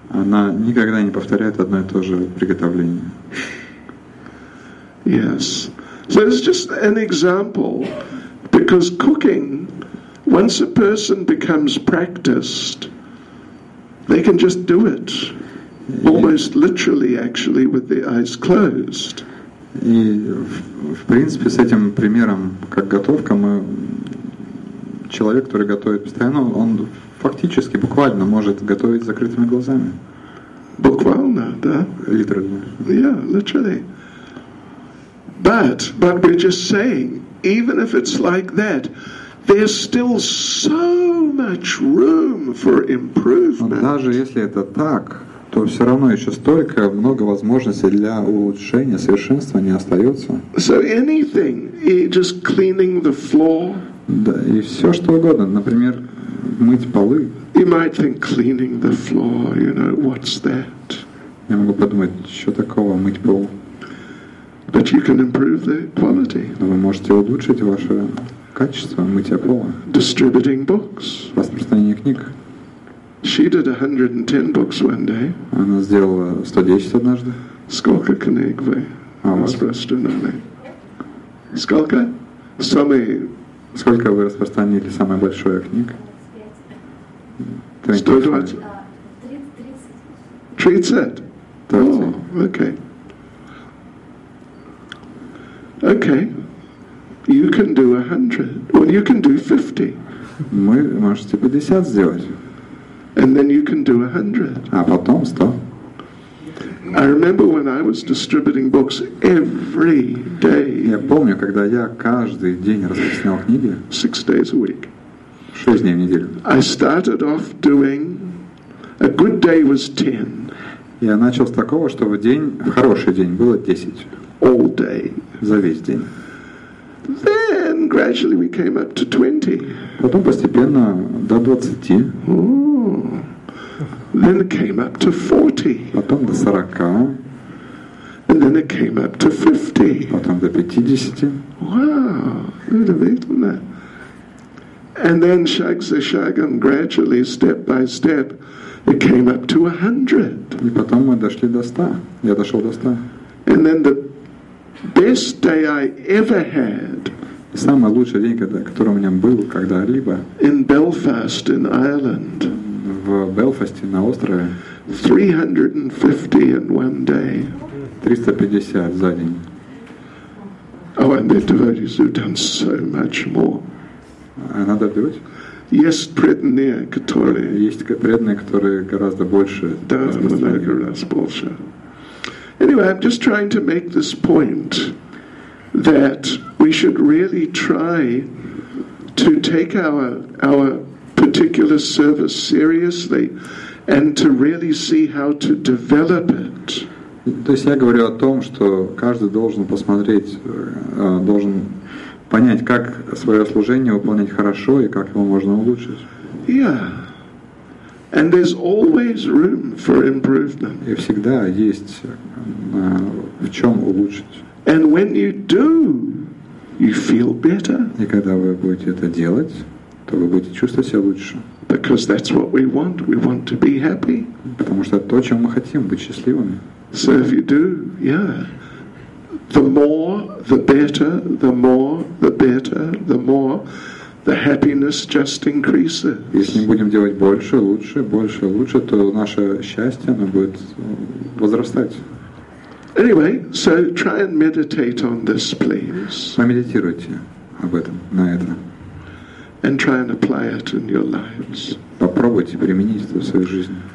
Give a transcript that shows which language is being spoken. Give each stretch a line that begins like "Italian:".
Russian: Она никогда не повторяет одно и то же приготовление.
English: Yes. So it's just an example, because cooking, once a person becomes practiced, they can just do it, almost literally, actually, with their eyes closed.
Russian: И в принципе с этим примером, как готовка, мы человек, который готовит постоянно, он фактически, буквально может готовить с закрытыми глазами. Буквально, да?
English: Literally. Yeah, literally. But we're just saying, even if it's like that, there's still so much room for improvement.
Russian: Но даже если это так, то все равно еще столько много возможностей для улучшения, совершенствования остается.
English: So anything, just cleaning the floor.
Russian: Да, и все что угодно, например, мыть полы.
English: You might think cleaning the floor, you know, what's that?
Russian: Я могу подумать, что такого мыть пол.
English: But you can improve the quality.
Russian: Но вы можете улучшить ваше качество мытья пола.
English: Distributing books.
Russian: Распространение книг.
English: She did 110 books one day.
Russian: Она сделала 110 однажды. Сколько книг вы распространили? Сколько? Сколько вы распространили самое большое книг?
English: 30. Oh, okay. Okay, you can do 100, or you can do 50.
Russian: Вы можете 50 сделать.
English: And then you can do 100.
Russian: А потом 100.
English: I remember when I was distributing books every day.
Russian: Я помню, когда я каждый день распространял книги.
English: 6 days a week.
Russian: 6 дней в неделю.
English: I started off doing, a good day was 10.
Russian: Я начал с такого, что в хороший день было 10.
English: All day.
Russian: За весь день.
English: Then gradually we came up to 20.
Russian: Потом постепенно до 20.
English: Then it came up to 40.
Russian: Потом до 40.
English: And then it came up to 50.
Russian: Потом до 50.
English: Wow.
Russian: Удивительно.
English: And then shagam, gradually, step by step, it came up to 100.
Russian: И потом мы дошли до 100. Я дошел до 100.
English: And then the Best day I ever had.
Russian: Самый лучший день, который у меня был когда-либо.
English: In Belfast, in Ireland.
Russian: В Белфасте, на острове.
English: 350 in one day.
Russian: 350 за день.
English: Oh, and the devotees have done so much more.
Russian: Надо отбивать? Есть преданные, которые... Есть преданные, которые гораздо больше. Да, много раз больше.
English: Anyway, I'm just trying to make this point that we should really try to take our particular service seriously and to really see how to develop it.
Russian: То есть я говорю о том, что каждый должен посмотреть, должен понять, как свое служение выполнять хорошо и как его можно улучшить.
English: Yeah. And there's always room for improvement.
Russian: И всегда есть в чем улучшить.
English: And when you do, you feel better.
Russian: И когда вы будете это делать, то вы будете чувствовать себя лучше.
English: Because that's what we want. We want to be happy.
Russian: Потому что это то, чем мы хотим, быть счастливыми.
English: So if you do, yeah. The more, the better, the more, the better, the more, the happiness just increases.
Russian: Если мы будем делать больше, лучше, больше, лучше, то наше счастье, оно будет возрастать.
English: Anyway, so try and meditate on this, please.
Russian: Помедитируйте об этом, на это.
English: And try and apply it in your lives.
Russian: Попробуйте применить это в своей жизни.